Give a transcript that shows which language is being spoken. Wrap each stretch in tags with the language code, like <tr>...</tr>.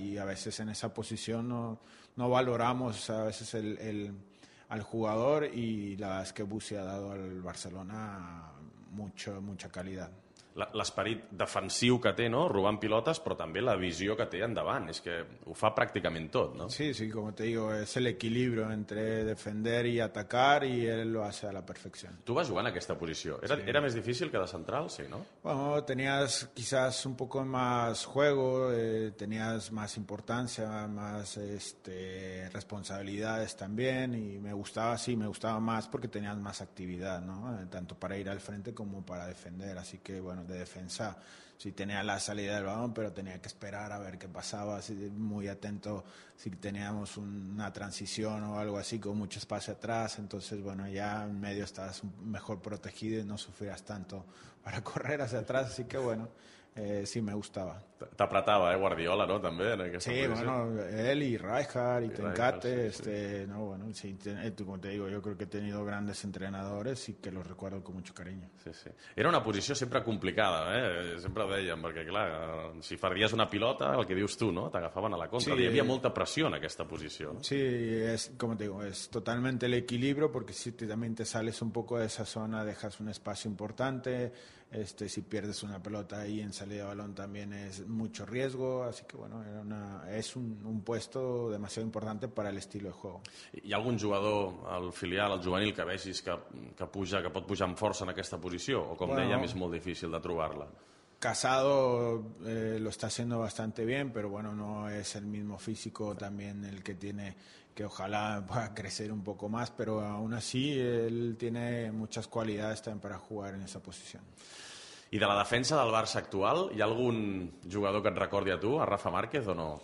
<es>Y a veces en esa posición no valoramos a veces el al jugador, y la verdad es que Busi ha dado al Barcelona mucha calidad.</es> <ca>L'esperit defensiu que té, no? Robant pilotes, però també la visió que té endavant. És que ho fa pràcticament tot, no?</ca> <es>Sí, como te digo, es el equilibrio entre defender y atacar, y él lo hace a la perfección.</es> <ca>Tu vas jugar en aquesta posició. Era més difícil que de central, sí, no?</ca> <es>Bueno, tenías quizás un poco más juego, tenías más importancia, más responsabilidades también, y me gustaba más porque tenías más actividad, ¿no? Tanto para ir al frente como para defender, así que, bueno, de defensa, si tenía la salida del balón, pero tenía que esperar a ver qué pasaba, muy atento si teníamos una transición o algo así, con mucho espacio atrás. Entonces, bueno, ya en medio estabas mejor protegido y no sufrías tanto para correr hacia atrás, así que bueno, sí, me gustaba. Te apretaba, Guardiola, ¿no? También. Sí, bueno, él y Rijkaard y Tencate, sí. No, bueno, sí, como te digo, yo creo que he tenido grandes entrenadores y que los recuerdo con mucho cariño. Sí, sí.</es> <ca>Era una posició sempre complicada, sempre ho dèiem, perquè clar, si faries una pilota, el que dius tu, no? T'agafaven a la contra. Sí, hi havia molta pressió en aquesta posició.</ca> <es>Sí, es, como te digo, es totalmente el equilibrio, porque si también te sales un poco de esa zona, dejas un espacio importante. Si pierdes una pelota ahí en salida de balón también es mucho riesgo, así que bueno, es un puesto demasiado importante para el estilo de juego.</es> <ca>Hi ha algun jugador al filial, al juvenil, que vegis que puja, que pot pujar amb força en aquesta posició, o com bueno, dèiem, és molt difícil de trobar-la?</ca> <es>Casado lo está haciendo bastante bien, pero bueno, no es el mismo físico también el que tiene, que ojalá pueda crecer un poco más, pero aún así él tiene muchas cualidades también para jugar en esa posición.</es> <ca>I de la defensa del Barça actual, hi ha algun jugador que et recordi a tu, a Rafa Márquez o no?</ca>